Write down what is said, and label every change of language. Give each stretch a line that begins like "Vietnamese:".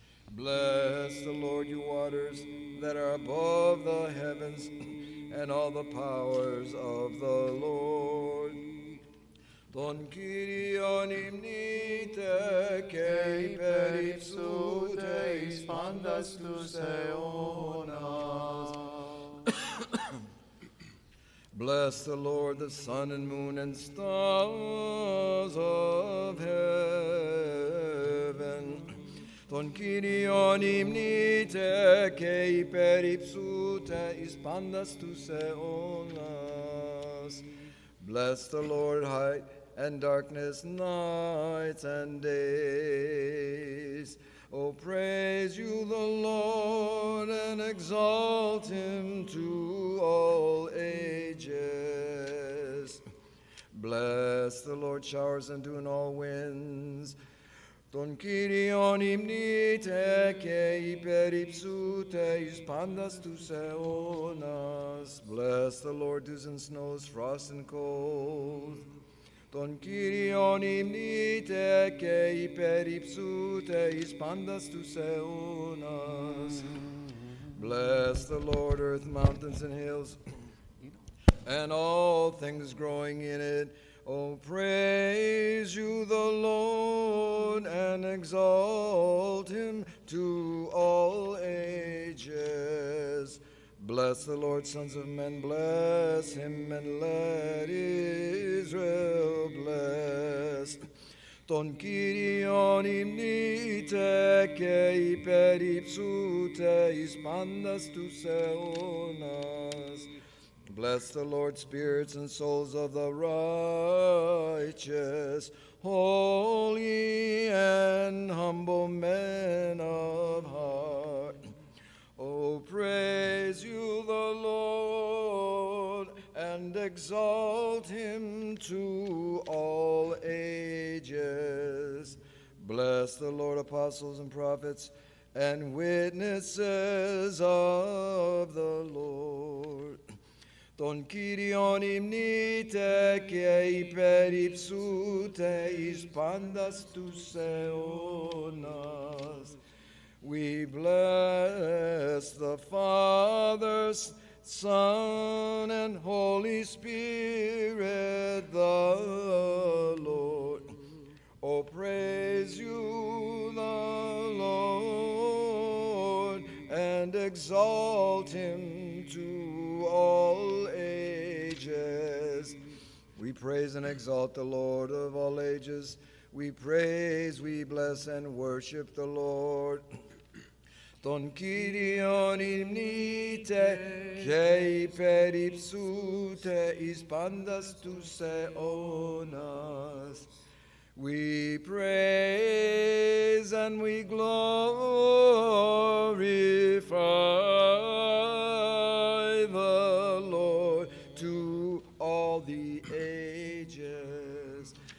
English: Bless the Lord, you waters that are above the heavens, and all the powers of the Lord.
Greek: Τον Κύριον υμνείτε και υπερυψούτε εις πάντας τους αιώνας.
English: Bless the Lord, the sun and moon and stars of heaven.
Greek: Τον Κύριον υμνείτε και υπερυψούτε εις πάντας τους αιώνας.
English: Bless the Lord, height and darkness, nights and days. Oh, praise you, the Lord, and exalt him to all ages. Bless the Lord, showers and dew and all winds.
Greek: Τον Κύριον υμνείτε και υπερυψούτε εις πάντας τους αιώνας.
English: Bless the Lord, dews and snows, frost and cold.
Greek: Τον Κύριον υμνείτε και υπερυψούτε εις πάντας τους αιώνας.
English: Bless the Lord, earth, mountains and hills, and all things growing in it. Oh, praise you, the Lord, and exalt him to all ages. Bless the Lord, sons of men, bless him, and let Israel bless.
Greek: Τον Κύριον υμνείτε και υπερυψούτε εις πάντας τους αιώνας.
English: Bless the Lord, spirits and souls of the righteous, holy and humble men of heart. Oh, praise you, the Lord, and exalt him to all ages. Bless the Lord, apostles and prophets, and witnesses of the Lord.
Greek: Τον Κύριον υμνείτε και υπερυψούτε εις πάντας τους αιώνας.
English: We bless the Father, Son, and Holy Spirit, the Lord. Oh, praise you, the Lord, and exalt him to all ages. We praise and exalt the Lord of all ages. We praise, we bless, and worship the Lord.
Greek: Τον Κύριον υμνείτε και υπερυψούτε εις πάντας τους αιώνας.
English: We praise and we glorify the Lord to all the ages.